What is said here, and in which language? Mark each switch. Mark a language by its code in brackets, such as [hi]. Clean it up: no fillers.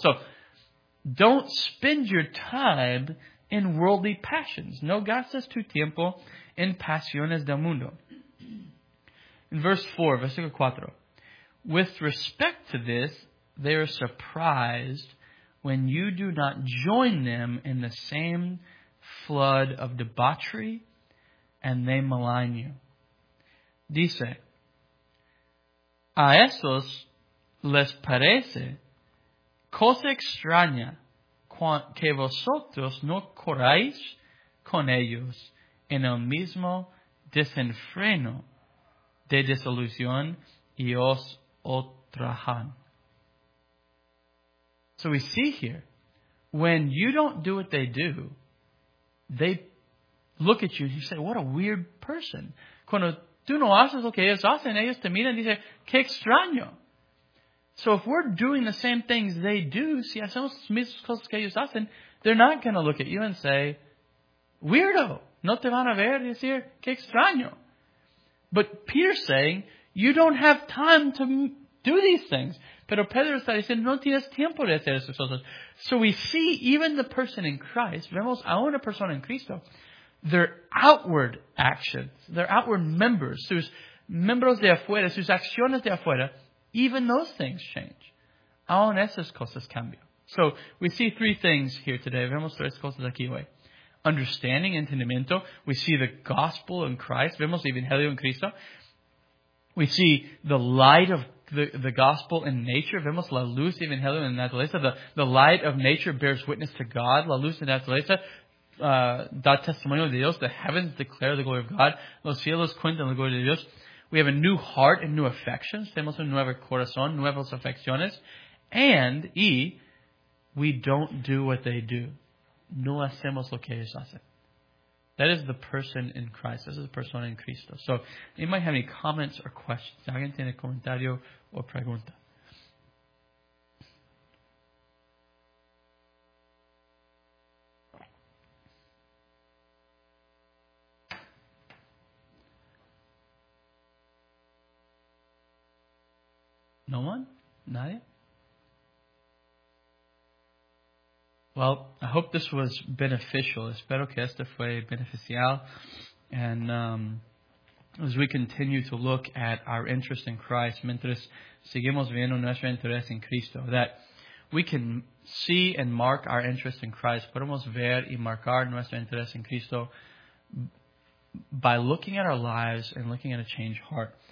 [en] So, don't spend your time in worldly passions. [es] No gastes tu tiempo en pasiones del mundo. [en] In verse 4, [es] versículo 4. [en] With respect to this, they are surprised when you do not join them in the same flood of debauchery, and they malign you. [es] Dice, a esos les parece cosa extraña que vosotros no corráis con ellos en el mismo desenfreno de desilusión y os ultrajan. [en] So we see here, when you don't do what they do, they look at you and you say, what a weird person. [es] Cuando tú no haces lo que ellos hacen, ellos te miran y dicen, qué extraño. [en] So if we're doing the same things they do, [es] si hacemos las mismas cosas que ellos hacen, [en] they're not going to look at you and say, weirdo, [es] no te van a ver y decir, qué extraño. [en] But Peter's saying, you don't have time to do these things. [es] Pero Pedro está diciendo, no tienes tiempo de hacer esas cosas. [en] So we see even the person in Christ, [es] vemos a una persona en Cristo, [en] their outward actions, their outward members, [es] sus miembros de afuera, [en] sus acciones de afuera, even those things change. [es] Aún esas cosas cambian. [en] So we see three things here today. [es] Vemos tres cosas aquí hoy. [en] Understanding, [es] entendimiento. [en] We see the gospel in Christ. [es] Vemos el evangelio en Cristo. [en] We see the light of the gospel in nature. [es] Vemos la luz evangelio en naturaleza. [en] The light of nature bears witness to God. [es] La luz en naturaleza da testimonio de Dios. [en] The heavens declare the glory of God. [es] Los cielos cuentan la gloria de Dios. [en] We have a new heart and new affections. [es] Tenemos un nuevo corazón, nuevas afecciones. [en] And we don't do what they do. [es] No hacemos lo que ellos hacen. [en] That is the person in Christ. This is the persona in Cristo. So, you might have any comments or questions. [es] ¿Alguien tiene comentario o pregunta? [en] No one? [es] Nadie? [en] Well, I hope this was beneficial. [es] Espero que esto fue beneficial. [en] And as we continue to look at our interest in Christ, mientras seguimos viendo nuestro interés en Cristo, that we can see and mark our interest in Christ. [es] Podemos ver y marcar nuestro interés en Cristo [en] by looking at our lives and looking at a changed heart.